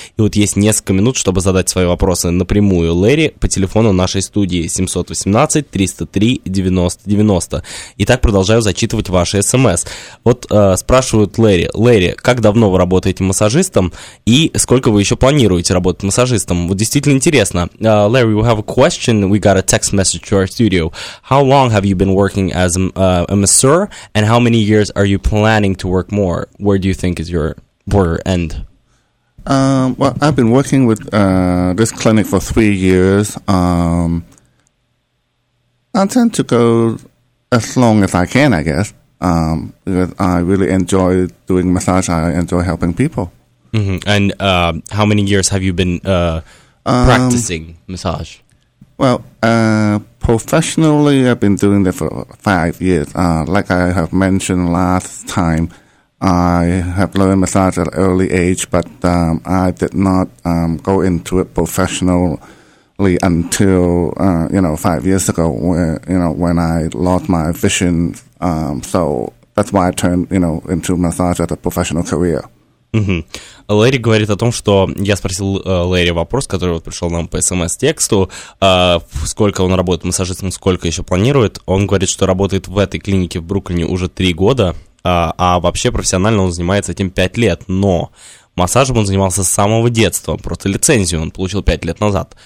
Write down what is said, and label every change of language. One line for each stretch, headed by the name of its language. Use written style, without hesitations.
Russian: И вот есть несколько минут, чтобы задать свои вопросы напрямую Лэри по телефону нашей студии 718-303-90-90. Итак, продолжаю зачитывать ваши СМС. Вот спрашивают Лэри: Лэри, как давно вы работаете массажистом и сколько вы еще планируете работать массажистом? Вот действительно интересно.
English: Лэри, we have a question. We got a text message to our studio. How long have you been working as a masseur, and how many years are you planning to work more? Where do you think is your border end? Well, I've been working with this clinic for 3 years. I tend to go as long as I can, I guess, because I really enjoy doing massage. I enjoy helping people. Mm-hmm. And how many years have you been practicing massage? Well, professionally, I've been doing that for 5 years. Like I have mentioned last time, I have learned massage at an early age, but I did not go into it professionally until, 5 years ago, when I lost my vision. So that's why I turned, into massage as a professional career. Mm-hmm.
Russian: Лэри говорит о том, что я спросил Лэри вопрос, который вот пришел нам по смс-тексту, сколько он работает массажистом, сколько еще планирует. Он говорит, что работает в этой клинике в Бруклине уже 3 года, а вообще профессионально он занимается этим 5 лет, но массажем он занимался с самого детства, просто лицензию он получил 5 лет назад.